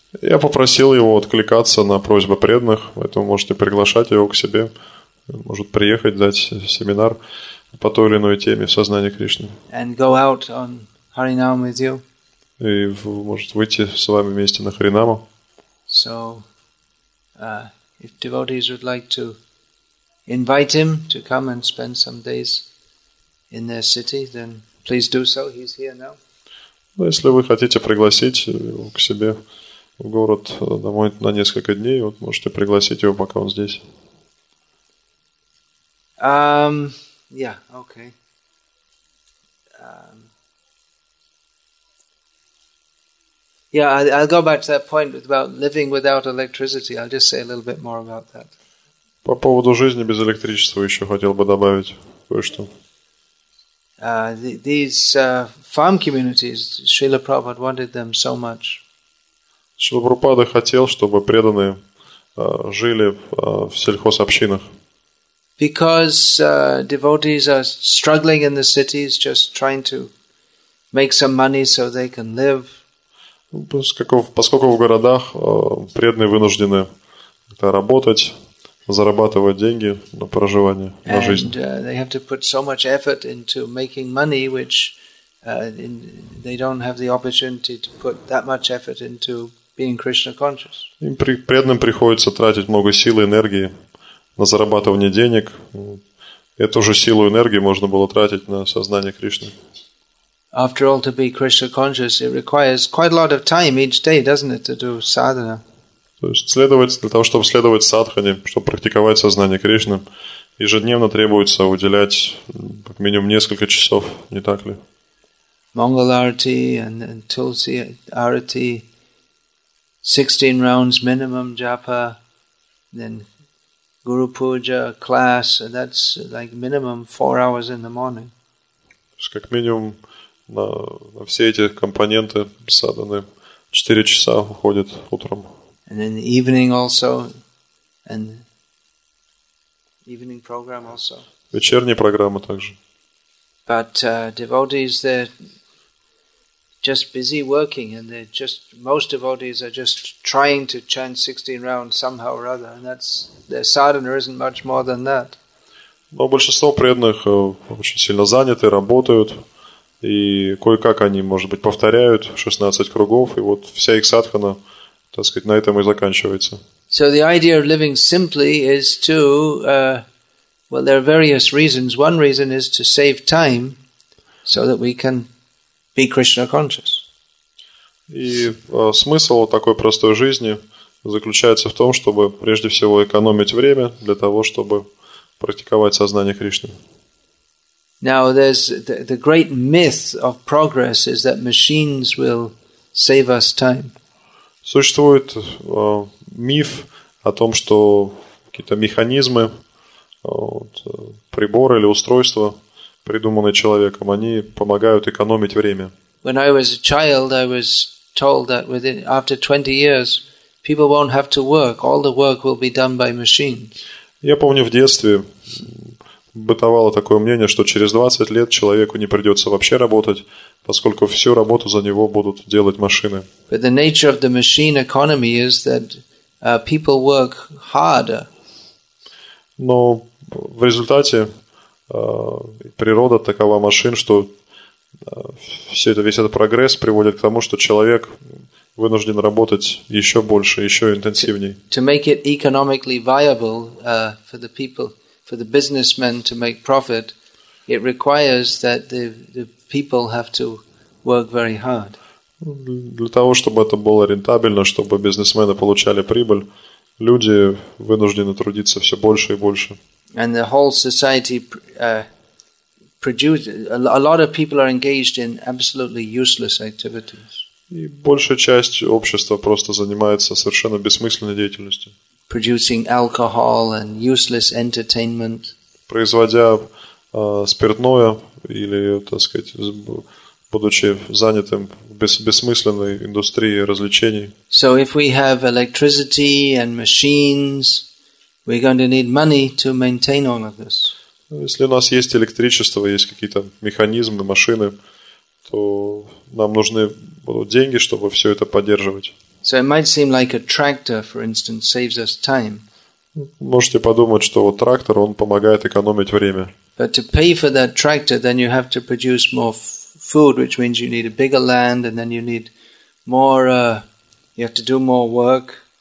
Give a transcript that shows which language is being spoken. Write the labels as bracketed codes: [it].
[ru] Я попросил его откликаться на просьбы преданных, поэтому можете приглашать его к себе. Он может приехать, дать семинар по той или иной теме в сознании Кришны. [en] And go out on Харинам with you. [ru] И может выйти с вами вместе на Харинаму. [en] So, if devotees would like to invite him to come and spend some days in their city, then please do so. He's here now. [ru] Ну, если вы хотите пригласить его к себе в город домой на несколько дней, вот можете пригласить его, пока он здесь. [en] Okay. I'll go back to that point about living without electricity. I'll just say a little bit more about that. [ru] По поводу жизни без электричества еще хотел бы добавить кое-что. [en] These farm communities, Srila Prabhupada wanted them so much. [ru] Srila Prabhupada хотел, чтобы преданные жили в сельхозобщинах. [en] Because devotees are struggling in the cities, just trying to make some money so they can live. [ru] Поскольку в городах преданные вынуждены работать, зарабатывать деньги на проживание, на жизнь. [en] They have to put so much effort into making money, which they don't have the opportunity to put that much effort into being Krishna conscious. [ru] Им преданным приходится тратить много сил и энергии на зарабатывание денег. Эту же силу и энергию можно было тратить на сознание Кришны. [en] After all, to be Krishna conscious, it requires quite a lot of time each day, doesn't it, to do sadhana? [ru] То есть следовать для того, чтобы следовать садхане, чтобы практиковать сознание Кришны, ежедневно требуется уделять как минимум несколько часов, не так ли? [en] Mangal arati and tulsi arati, 16 rounds minimum japa, then guru puja class, and that's like minimum 4 hours in the morning. [ru] То есть как минимум на все эти компоненты садханы 4 часа уходит утром. [en] And then the evening also, and evening program also. [ru] Вечерняя программа также. [en] But devotees, they're just busy working, and they're just, most devotees are just trying to chant 16 rounds somehow or other, and that's, their sadhana isn't much more than that. [ru] Но большинство преданных очень сильно заняты, работают, И кое-как они, может быть, повторяют 16 кругов, и вот вся их садхана, так сказать, на этом и заканчивается. [en] So the idea of living simply is to, well, there are various reasons. One reason is to save time so that we can be Krishna conscious. [ru] И смысл такой простой жизни заключается в том, чтобы прежде всего экономить время для того, чтобы практиковать сознание Кришны. [en] Now there's the great myth of progress is that machines will save us time. [ru] Существует миф о том, что какие-то механизмы, вот, приборы или устройства, придуманные человеком, они помогают экономить время. [en] When I was a child, I was told that after 20 years, people won't have to work. All the work will be done by machines. [ru] Я помню, в детстве бытовало такое мнение, что через 20 лет человеку не придется вообще работать, поскольку всю работу за него будут делать машины. [en] But the nature of the machine economy is that people work harder. [ru] Но в результате природа такова машин, что весь этот прогресс приводит к тому, что человек вынужден работать еще больше, еще интенсивней. [en] To make it economically viable for the people, for the businessmen to make profit, it requires that the people have to work very hard. [ru] Для того, чтобы это было рентабельно, чтобы бизнесмены получали прибыль, люди вынуждены трудиться все больше и больше. [en] And the whole society produces, a lot of people are engaged in absolutely useless activities. [ru] И большая часть общества просто занимается совершенно бессмысленной деятельностью. [en] Producing alcohol and useless entertainment. [ru] Производя спиртное или, так сказать, будучи занятым в бессмысленной индустрии развлечений. [en] So if we have electricity and machines, we're going to need money to maintain all of this. [ru] Если у нас есть электричество, есть какие-то механизмы, машины, то нам нужны будут деньги, чтобы все это поддерживать. [en] So it might seem like a tractor, for instance, saves us time. [ru] Можете подумать, что вот трактор, он помогает экономить время. [en] But to pay for that tractor, then you have to produce more food, which means you need a bigger land, and then you need more, you have to do more work.